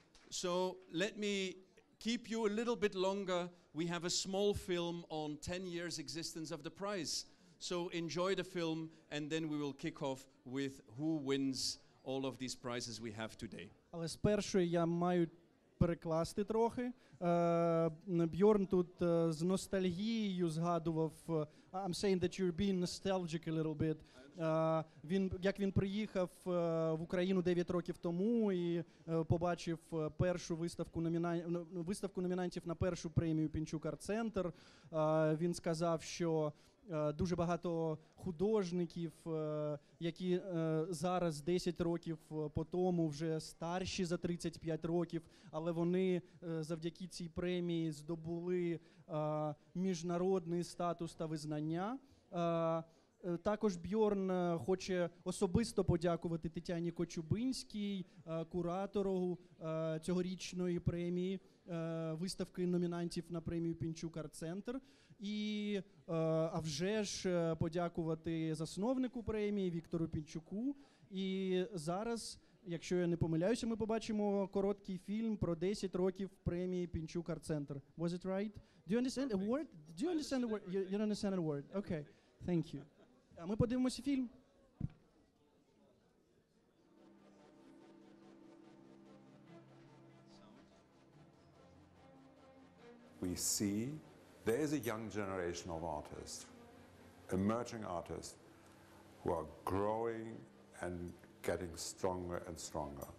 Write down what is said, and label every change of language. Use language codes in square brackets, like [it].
[en] So let me keep you a little bit longer. We have a small film on 10 years existence of the prize. So enjoy the film, and then we will kick off with who wins all of these prizes we have today. [uk] Але спершу я маю перекласти трохи. Бьорн тут з ностальгією згадував. [en] I'm saying that you're being nostalgic a little bit. [uk] Як він приїхав в Україну 9 років тому і побачив першу виставку номінантів на першу премію Пінчук Арт Центр, він сказав, що дуже багато художників, які зараз 10 років по тому вже старші за 35 років, але вони завдяки цій премії здобули міжнародний статус та визнання. Також Бьорн хоче особисто подякувати Тетяні Кочубинській, куратору цьогорічної премії, виставки номінантів на премію Пінчук Арт Центр. А вже ж подякувати засновнику премії Віктору Пінчуку. І зараз, якщо я не помиляюся, ми побачимо короткий фільм про 10 років премії Пінчук Арт Центр. [en] Was it right? Do you understand the word? Do you understand the word? You don't understand the word. Okay. Thank you. [uk] А ми подивимося фільм. [en] We see there is a young generation of artists, emerging artists, who are growing and getting stronger and stronger.